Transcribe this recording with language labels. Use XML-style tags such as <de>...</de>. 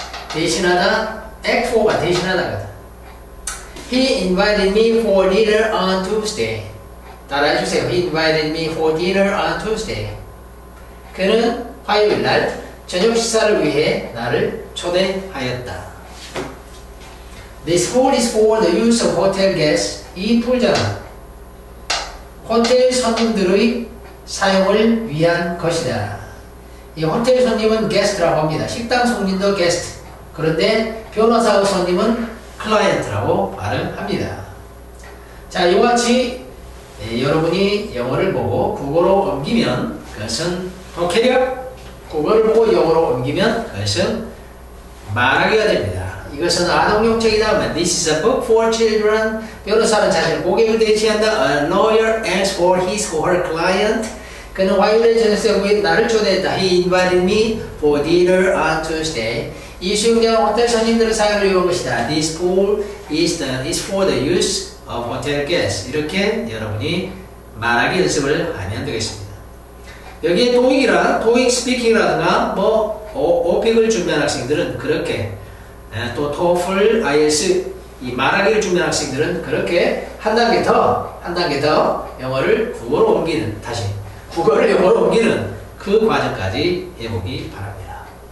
<ko>대신하다.</ko> <en>act for가</en> <ko>대신하다거든.</ko> <en>He invited me for dinner on Tuesday.</en> <ko>따라해주세요.</ko> <en>He invited me for dinner on Tuesday.</en> <ko>그는 화요일 날 저녁 식사를 위해 나를 초대하였다.</ko> <en>This pool is for the use of hotel guests.</en> <ko>이 풀장은 호텔 손님들의 사용을 위한 것이다. 이 호텔 손님은 guest라고 합니다. 식당 손님도 guest. 그런데 변호사 손님은 client라고 발음합니다. 자, 이와같이 여러분이 영어를 보고 국어로 옮기면 그것은 독해력. 국어를 보고 영어로 옮기면 그것은 말하기가 됩니다. 이것은 아동용 책이다.</ko> <en>This is a book for children.</en> <ko>변호사는 자신의 고객을 대신한다.</ko> <en>A lawyer asks for his or her client.</en> <ko>그는 와일드전에서 나를 초대했다.</ko> <en>He invited me for dinner on Tuesday.</en> <ko>이 수영장은 호텔 손님들을 사용을 위한 것이다.</ko> <en>This pool is for the use of hotel guests.</en> <ko>이렇게 여러분이 말하기 연습을 하면 되겠습니다. 여기에 토익이라, 토익 스피킹이라든가 뭐 오픽을 준비한 학생들은 그렇게 또 TOEFL, IELTS 이 말하기를 준비한 학생들은 그렇게 한 단계 더 영어를 국어로 옮기는 다시 국어를 영어로 옮기는 그 과정까지 해보기 바랍니다.</ko>